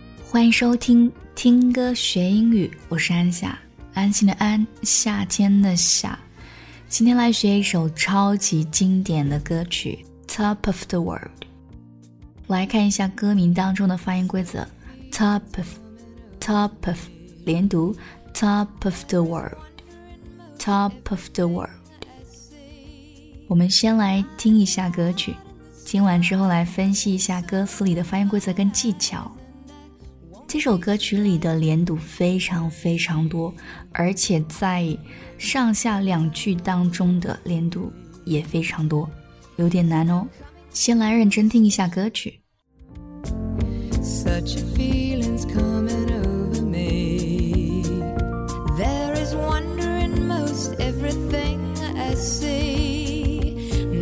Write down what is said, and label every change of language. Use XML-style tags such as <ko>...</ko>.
<zh>欢迎收听听歌学英语，我是安夏，安心的安，夏天的夏。今天来学一首超级经典的歌曲 Top of the World。来看一下歌名当中的发音规则， Top of Top of 连读 Top of the World Top of the World。我们先来听一下歌曲，听完之后来分析一下歌词里的发音规则跟技巧。这首歌曲里的连读非常非常多，而且在上下两句当中的连读也非常多，有点难哦。先来认真听一下歌曲。</zh> <en>Such a feeling's coming over me. There is wonder in most everything I see.</en>